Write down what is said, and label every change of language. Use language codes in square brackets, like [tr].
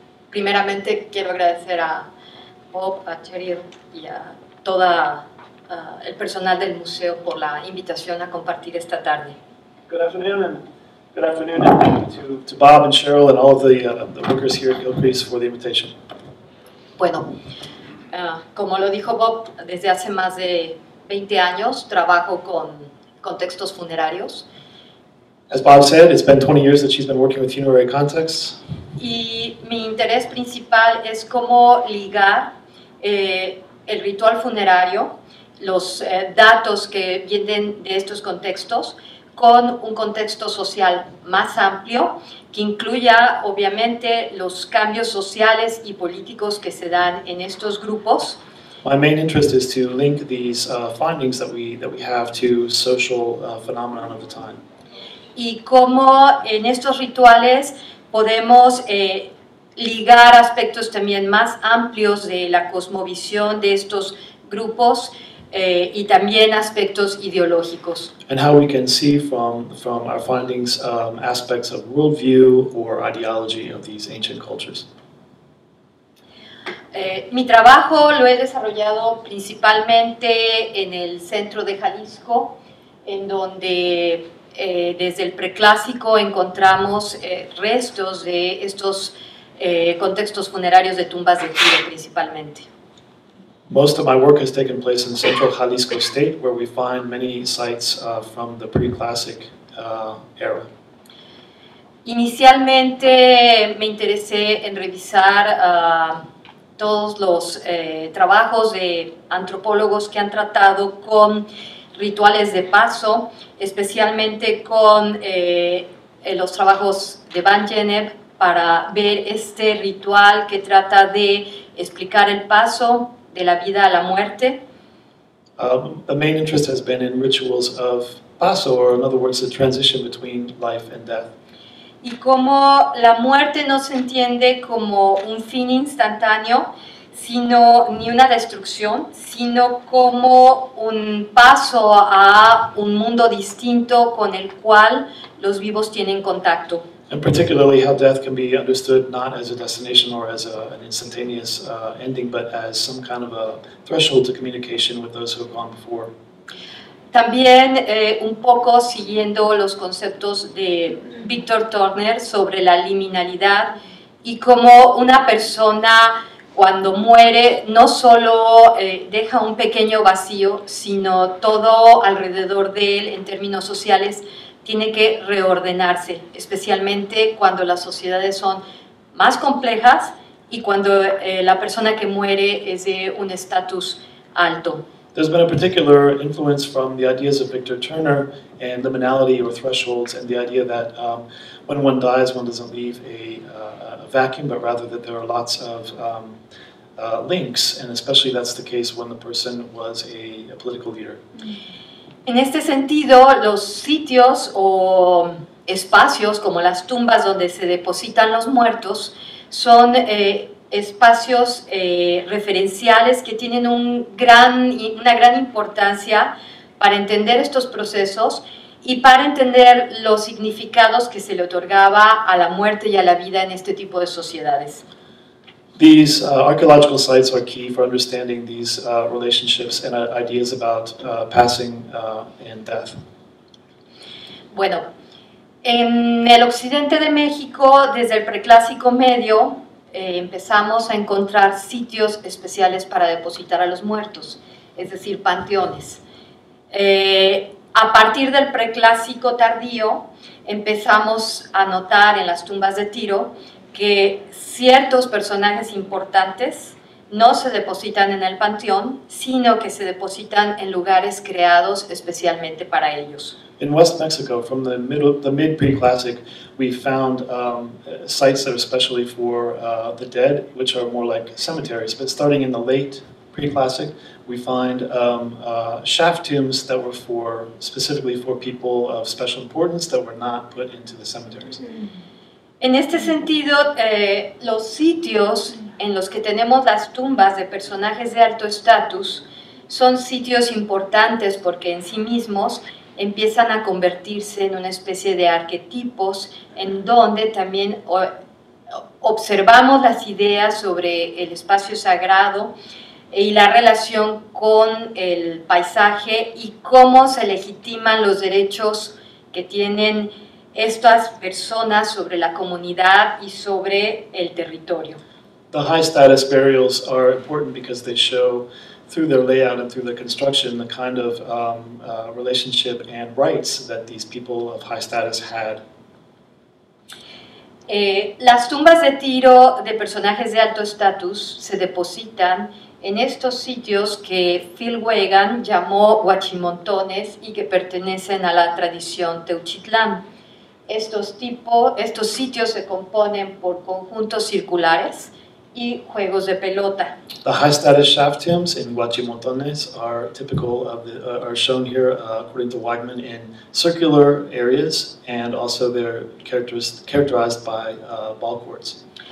[es] Primeramente quiero agradecer a Bob, a Cheryl y a todo el personal del museo por la invitación a compartir esta tarde. [en] Good afternoon to Bob and Cheryl and all of the workers here at Gilcrease for the invitation. [es] Bueno, como lo dijo Bob, desde hace más de 20 años trabajo con textos funerarios. [en] As Bob said, it's been 20 years that she's been working with funerary contexts. [es] Y mi interés principal es cómo ligar el ritual funerario, los datos que vienen de estos contextos, con un contexto social más amplio que incluya obviamente los cambios sociales y políticos que se dan en estos grupos. [en] My main interest is to link these findings that we have to social phenomena of the time. [es] Y cómo en estos rituales podemos ligar aspectos también más amplios de la cosmovisión de estos grupos y también aspectos ideológicos. [en] And how we can see from our findings aspects of worldview or ideology of these ancient cultures. [es] Mi trabajo lo he desarrollado principalmente en el centro de Jalisco, en donde desde el preclásico encontramos restos de estos contextos funerarios de tumbas de Tiro principalmente. [en] Most of my work has taken place in central Jalisco state, where we find many sites from the pre-classic era. [es] Inicialmente me interesé en revisar todos los trabajos de antropólogos que han tratado con rituales de paso, especialmente con los trabajos de Van Genep, para ver este ritual que trata de explicar el paso de la vida a la muerte. [en] The main interest has been in rituals of paso, or in other words, the transition between life and death. [es] Y cómo la muerte no se entiende como un fin instantáneo, sino ni una destrucción, sino como un paso a un mundo distinto con el cual los vivos tienen contacto. [en] And particularly how death can be understood not as a destination or as an instantaneous ending, but as some kind of a threshold to communication with those who have gone before. [es] También un poco siguiendo los conceptos de Victor Turner sobre la liminalidad y cómo una persona cuando muere no solo deja un pequeño vacío, sino todo alrededor de él en términos sociales tiene que reordenarse, especialmente cuando las sociedades son más complejas y cuando la persona que muere es de un estatus alto. [en] There's been a particular influence from the ideas of Victor Turner and liminality or thresholds and the idea that when one dies, one doesn't leave a vacuum, but rather that there are lots of links, and especially that's the case when the person was a political leader. [es] En este sentido, los sitios o espacios como las tumbas donde se depositan los muertos son espacios referenciales que tienen una gran importancia para entender estos procesos y para entender los significados que se le otorgaba a la muerte y a la vida en este tipo de sociedades. [en] These archaeological sites are key for understanding these relationships and ideas about passing and death. [es] Bueno, en el occidente de México, desde el preclásico medio, empezamos a encontrar sitios especiales para depositar a los muertos, es decir, panteones. A partir del preclásico tardío, empezamos a notar en las tumbas de Tiro que ciertos personajes importantes no se depositan en el panteón, sino que se depositan en lugares creados especialmente para ellos. [en] In West Mexico, from the mid pre-classic, we found sites that are especially for the dead, which are more like cemeteries. But starting in the late pre-classic, we find shaft tombs that were specifically for people of special importance that were not put into the cemeteries. [es] En este sentido, los sitios en los que tenemos las tumbas de personajes de alto estatus son sitios importantes porque en sí mismos empiezan a convertirse en una especie de arquetipos en donde también observamos las ideas sobre el espacio sagrado y la relación con el paisaje y cómo se legitiman los derechos que tienen estas personas sobre la comunidad y sobre el territorio. The high status burials are important because they show through their layout and through their construction the kind of relationship and rights that these people of high status had. Las tumbas de Tiro de personajes de alto estatus se depositan en estos sitios que Phil Wegan llamó huachimontones y que pertenecen a la tradición Teuchitlán. Estos sitios se componen por conjuntos circulares y juegos de pelota. [en] The high status shaft tombs in Huachimontones are typical of the, are shown here according to Wegman in circular areas and also they're characterized by ball courts.